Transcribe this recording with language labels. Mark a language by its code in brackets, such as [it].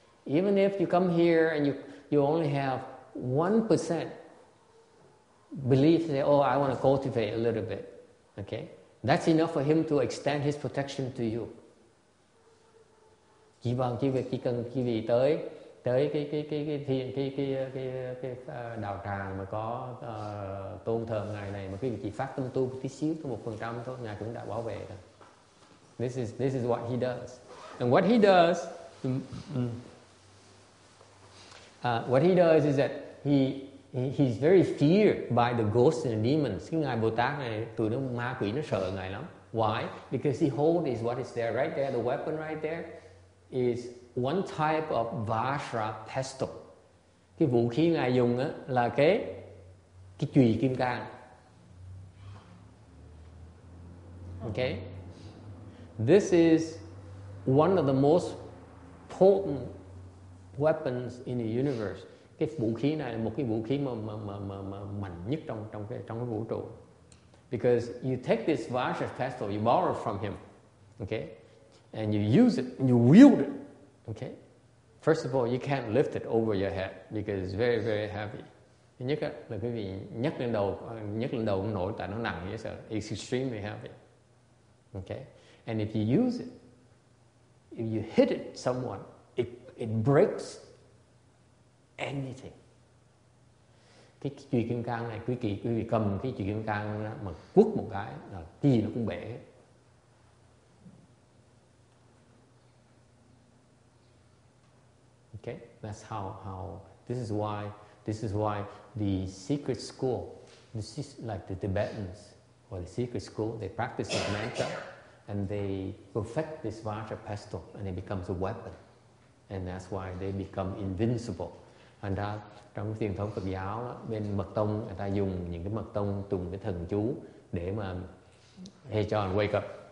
[en] Even if you come here and you only have 1% belief that, oh, I want to cultivate a little bit. Okay? That's enough for him to extend his protection to you. [vi] Chỉ bằng chỉ cần quý vị tới tới cái đạo tràng mà có tôn thờ ngài này mà quý vị chỉ phát tâm tu một tí xíu, có 1% thôi, ngài cũng đã bảo vệ rồi. [en] This is what he does, and what he does, is that he's very feared by the ghosts and the demons. [vi] Cái ngài Bồ Tát này, tụi nó ma quỷ nó sợ ngài lắm. [en] Why? Because he holds what is there right there. The weapon right there is one type of Vajra pestle. [vi] Cái vũ khí ngài dùng á là cái chùy kim cang. [en] Okay. This is one of the most potent weapons in the universe. [vi] Cái vũ khí này là một cái vũ khí mà mạnh nhất trong cái vũ trụ. [en] Because you take this Vajra festival, you borrow from him, okay? And you use it, and you wield it, okay? First of all, you can't lift it over your head because it's very, very heavy. [vi] Nhất là quý vị nhấc lên đầu không nổi tại nó nặng, [en] it's extremely heavy. Okay? And if you use it, if you hit it someone, it breaks anything. [vi] Cái chùy kim cang này, quý vị cầm cái chùy kim cang mà quất một cái, là gì nó cũng bể. [en] Okay, that's how this is why the secret school, this is like the Tibetans or the secret school, they practice this mantra and they perfect this Vajra pestle and it becomes a weapon. And that's why they become invincible. [vi] Thành ra trong truyền thống Phật giáo đó, bên mật tông người ta dùng những cái mật tông tụng cái thần chú để mà [en] hey John, wake up.